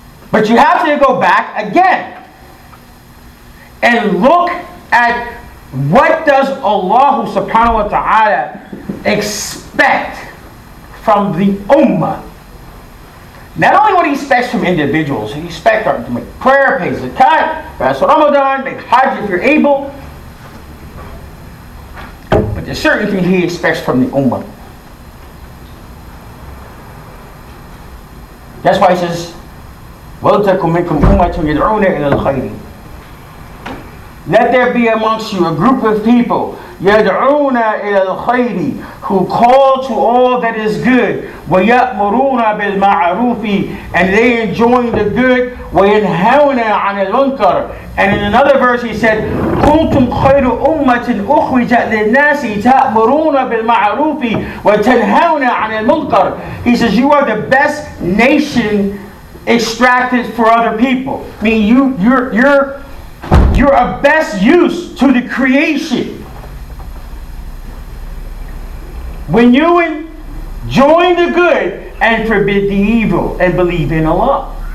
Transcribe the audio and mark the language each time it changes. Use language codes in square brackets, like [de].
[en] But you have to go back again and look at what does Allah subhanahu wa ta'ala expect from the ummah. Not only what he expects from individuals, he expects them to make prayer, pay zakat, fast Ramadan, make hajj if you're able. But there's certain things he expects from the ummah. That's why he says, [ar] وَلْتَكُمْ مِنْكُمْ أُمَّةٌ يَدْعُونَ إِلَى الْخَيْرِ. [en] Let there be amongst you a group of people, [ar] يَدْعُونَ إِلَى الْخَيْرِ, [en] who call to all that is good, [ar] وَيَأْمُرُونَ بِالْمَعْرُوفِ, [en] and they enjoin the good, [ar] وَيَنْهَوْنَ عَنِ الْمُنْكَرِ. [en] And in another verse he said, [ar] كُنْتُمْ خَيْرُ أُمَّةٍ أُخْرِجَتْ لِلنَّاسِ تَأْمُرُونَ بِالْمَعْرُوفِ وَتَنْهَوْنَ عَنِ الْمُنْكَرِ. [en] He says, you are the best nation extracted for other people. I mean, you're a best use to the creation. When you enjoin the good and forbid the evil and believe in Allah.